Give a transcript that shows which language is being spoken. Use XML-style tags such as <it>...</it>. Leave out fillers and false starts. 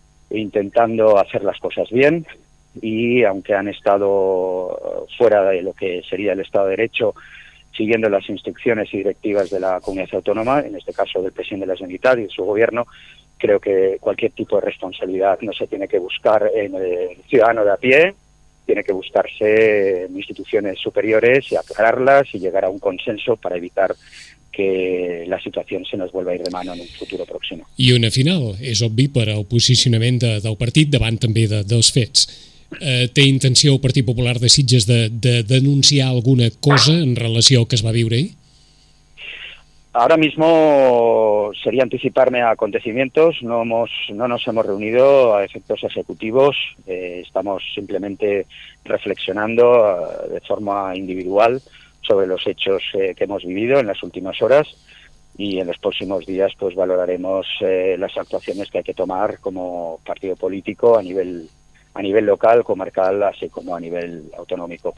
<es>intentando hacer las cosas bien, y aunque han estado fuera de lo que sería el Estado de Derecho, siguiendo las instrucciones y directivas de la comunidad autónoma, en este caso del presidente de la Generalitat y de su gobierno, creo que cualquier tipo de responsabilidad no se tiene que buscar en el ciudadano de a pie, tiene que buscarse en instituciones superiores y aclararlas y llegar a un consenso para evitar que la situación se nos vuelva a ir de mano en un futuro próximo.</es> <ca>I una final, és obvi, per al posicionament del partit davant també dels fets. Té intenció el Partit Popular de Sitges de denunciar alguna cosa en relació al que es va viure ahir?</ca> <es>Ahora mismo sería anticiparme a acontecimientos, no nos hemos reunido a efectos ejecutivos, estamos simplemente reflexionando de forma individual sobre los hechos que hemos vivido en las últimas horas y en los próximos días pues valoraremos las actuaciones que hay que tomar como partido político a nivel local, comarcal, así como a nivel autonómico.</es>